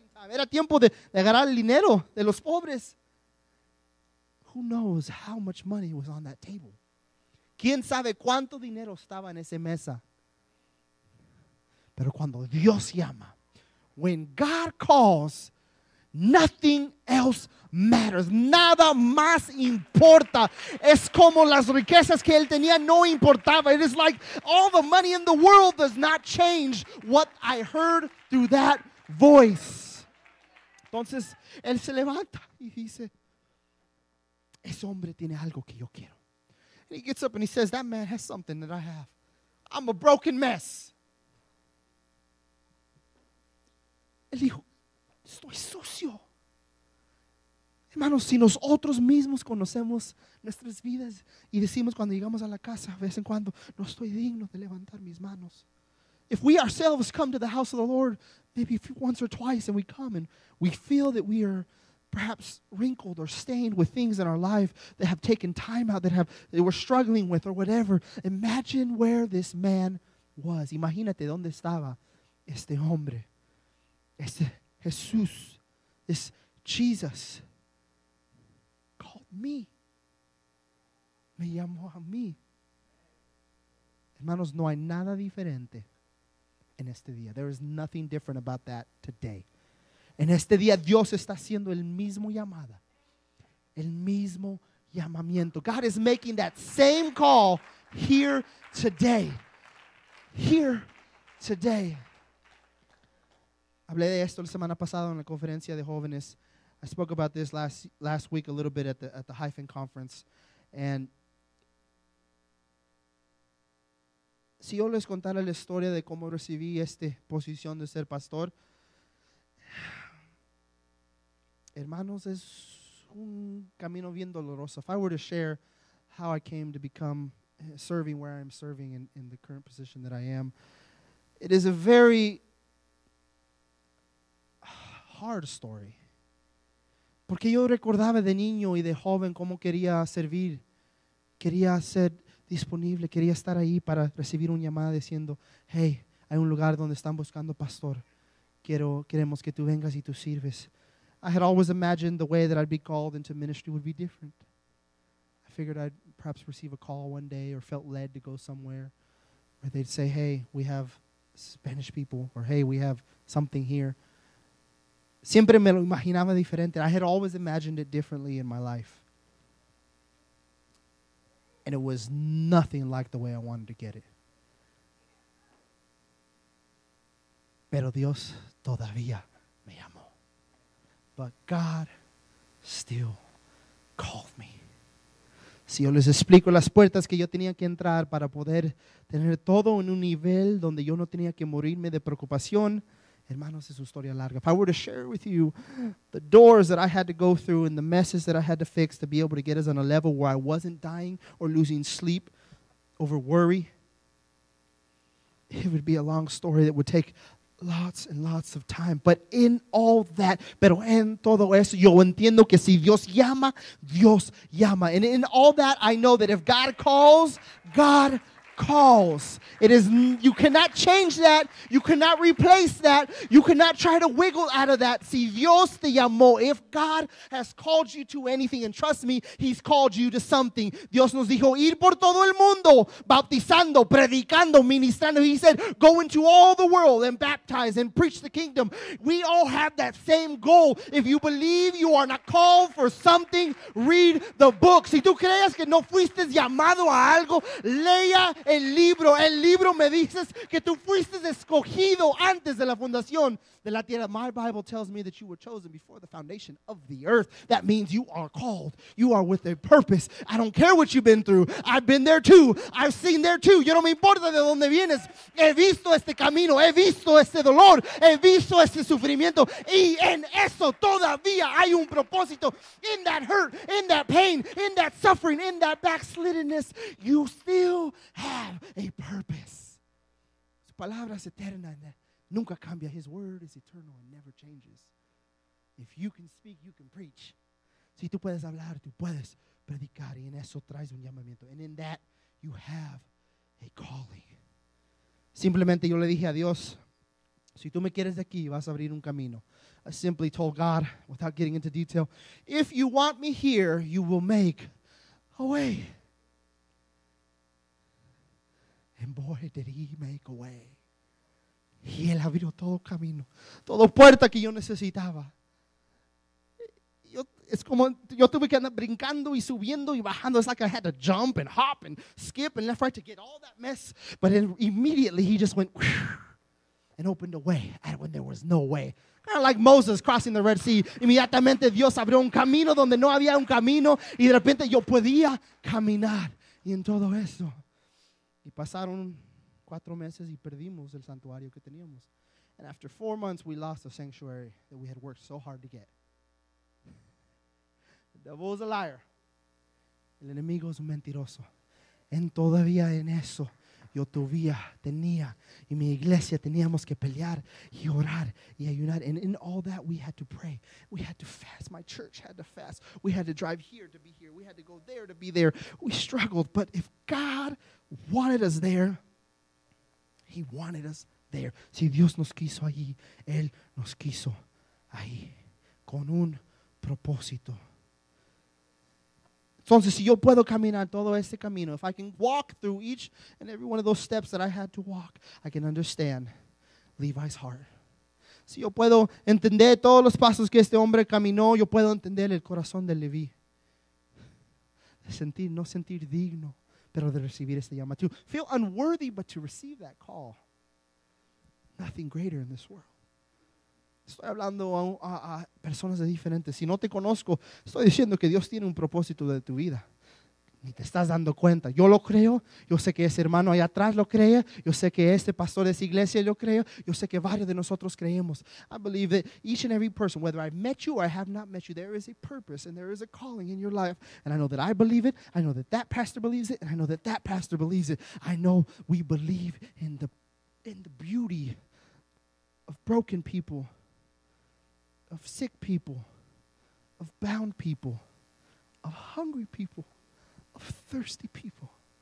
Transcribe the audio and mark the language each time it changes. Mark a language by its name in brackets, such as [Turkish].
[Spanish] Era tiempo de agarrar el dinero de los pobres. [English] Who knows how much money was on that table? [Spanish] ¿Quién sabe cuánto dinero estaba en esa mesa? Pero cuando Dios llama, [English] when God calls, nothing else matters. [Spanish] Nada más importa. Es como las riquezas que él tenía no importaba. [English] It is like all the money in the world does not change what I heard through that voice. [Spanish] Entonces, él se levanta y dice, ese hombre tiene algo que yo quiero. [English] And he gets up and he says, that man has something that I have. I'm a broken mess. [Spanish] Él dijo, estoy sucio. Hermanos, si nosotros mismos conocemos nuestras vidas y decimos cuando llegamos a la casa, de vez en cuando, no estoy digno de levantar mis manos. [English] If we ourselves come to the house of the Lord, maybe once or twice, and we come and we feel that we are perhaps wrinkled or stained with things in our life that have taken time out, that we're struggling with or whatever. Imagine where this man was. [Spanish] Imagínate dónde estaba este hombre, este Jesús, [English] this Jesus called me. [Spanish] Me llamó a mí. Hermanos, no hay nada diferente. En este día, [English] there is nothing different about that today. [Spanish] En este día, Dios está haciendo el mismo llamada, el mismo llamamiento. [English] God is making that same call here today. Here today. [Spanish] Hablé de esto la semana pasada en la conferencia de jóvenes. [English] I spoke about this last week a little bit at the Hyphen conference. [Spanish] And si yo les contara la historia de cómo recibí esta posición de ser pastor, hermanos, es un camino bien doloroso. [English] If I were to share how I came to become serving where I'm serving in the current position that I am, it is a very hard story. [Spanish] Porque yo recordaba de niño y de joven cómo quería servir, quería ser disponible, quería estar ahí para recibir una llamada diciendo, hey, hay un lugar donde están buscando pastor, queremos que tú vengas y tú sirves. [English] I had always imagined the way that I'd be called into ministry would be different. I figured I'd perhaps receive a call one day or felt led to go somewhere where they'd say, hey, we have Spanish people, or hey, we have something here. [Spanish] Siempre me lo imaginaba diferente. [English] I had always imagined it differently in my life. And it was nothing like the way I wanted to get it. [Spanish] Pero Dios todavía me llamó. [English] But God still called me. [Spanish] Si yo les explico las puertas que yo tenía que entrar para poder tener todo en un nivel donde yo no tenía que morirme de preocupación, hermanos, es una historia larga. [English] If I were to share with you the doors that I had to go through and the messes that I had to fix to be able to get us on a level where I wasn't dying or losing sleep over worry, it would be a long story that would take lots and lots of time. But in all that, [Spanish] pero en todo eso, yo entiendo que si Dios llama, Dios llama. [English] And in all that, I know that if God calls, God calls. It is, you cannot change that. You cannot replace that. You cannot try to wiggle out of that. [Spanish] Si Dios te llamó, [English] if God has called you to anything, and trust me, he's called you to something. [Spanish] Dios nos dijo, ir por todo el mundo, bautizando, predicando, ministrando. [English] He said, go into all the world and baptize and preach the kingdom. We all have that same goal. If you believe you are not called for something, read the book. [Spanish] Si tú crees que no fuiste llamado a algo, lea el libro. El libro me dices que tú fuiste escogido antes de la fundación de la tierra. [English] My Bible tells me that you were chosen before the foundation of the earth. That means you are called. You are with a purpose. I don't care what you've been through. I've been there too. I've seen there too. [Spanish] Yo no me importa de dónde vienes. He visto este camino. He visto este dolor. He visto este sufrimiento. Y en eso todavía hay un propósito. [English] In that hurt, in that pain, in that suffering, in that backsliddenness, you still have a purpose. [Spanish] Su palabra es eterna. Nunca cambia. [English] His word is eternal and never changes. If you can speak, you can preach. [Spanish] Si tú puedes hablar, tú puedes predicar. Y en eso traes un llamamiento. [English] And in that, you have a calling. [Spanish] Simplemente yo le dije a Dios, si tú me quieres de aquí, vas a abrir un camino. [English] I simply told God, without getting into detail, if you want me here, you will make a way. And boy, did he make a way. [Spanish] Y él abrió todo camino, todo puerta que yo necesitaba. Yo, es como, yo tuve que andar brincando y subiendo y bajando. [English] It's like I had to jump and hop and skip and left right to get all that mess. But then immediately he just went and opened a way and when there was no way. Kind of like Moses crossing the Red Sea. [Spanish] Inmediatamente Dios abrió un camino donde no había un camino. Y de repente yo podía caminar. Y en todo eso. Y pasaron 4 meses y perdimos el santuario que teníamos. [English] And after 4 months, we lost the sanctuary that we had worked so hard to get. The devil is a liar. [Spanish] El enemigo es un mentiroso. En todavía en eso, yo todavía tenía, y mi iglesia teníamos que pelear y orar y ayunar. [English] And in all that, we had to pray. We had to fast. My church had to fast. We had to drive here to be here. We had to go there to be there. We struggled. But if God wanted us there, he wanted us there. [Spanish] Si Dios nos quiso allí, él nos quiso ahí con un propósito. Entonces, si yo puedo caminar todo ese camino, [English] if I can walk through each and every one of those steps that I had to walk, I can understand Levi's heart. [Spanish] Si yo puedo entender todos los pasos que este hombre caminó, yo puedo entender el corazón de Levi. Sentir, no sentir digno, pero de recibir este llamado. [English] To feel unworthy, but to receive that call. Nothing greater in this world. [Spanish] Estoy hablando a personas de diferentes. Si no te conozco, estoy diciendo que Dios tiene un propósito de tu vida. Ni te estás dando cuenta. Yo lo creo. Yo sé que ese hermano allá atrás lo cree. Yo sé que este pastor de esa iglesia lo cree. Yo sé que varios de nosotros creemos. [English] I believe that each and every person, whether I've met you or I have not met you, there is a purpose and there is a calling in your life. And I know that I believe it. I know that that pastor believes it. And I know that that pastor believes it. I know we believe in the beauty of broken people, of sick people, of bound people, of hungry people, of thirsty people.